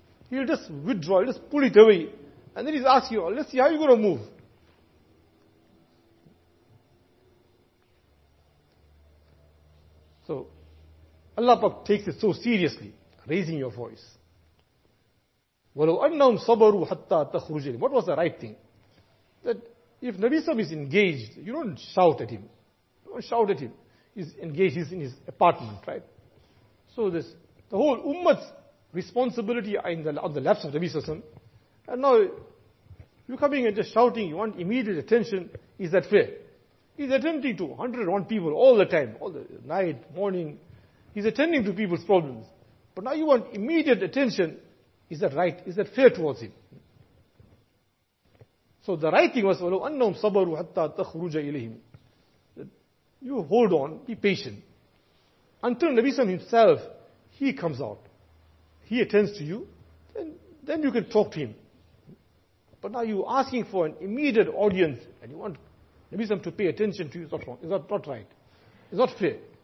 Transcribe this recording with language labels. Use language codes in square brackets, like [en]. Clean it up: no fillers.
[en] He'll just withdraw, he'll just pull it away, and then he'll ask you, let's see how you're going to move. So, Allah takes it so seriously, raising your voice. [ar] وَلَوْ أَنَّهُمْ صَبَرُوا حَتَّى تَخْرُجَ لِهِ. [en] What was the right thing? That if Nabi Sam is engaged, you don't shout at him. You don't shout at him. He's engaged, he's in his apartment, right? So this, the whole ummah's responsibility on the laps of Nabi Sam. And now, you're coming and just shouting, you want immediate attention. Is that fair? He's attending to 101 people all the time, all the night, morning. He's attending to people's problems. But now you want immediate attention. Is that right? Is that fair towards him? So the right thing was, [ar] وَلَوْ أَنَّهُمْ صَبَرُوا حَتَّى تَخْرُجَ إِلَيْهِمْ. [en] You hold on, be patient. Until Nabi Sallam himself, he comes out, he attends to you, then you can talk to him. But now you're asking for an immediate audience, and you want Nabi Sallam to pay attention to you, it's not wrong, it's not right. It's not fair.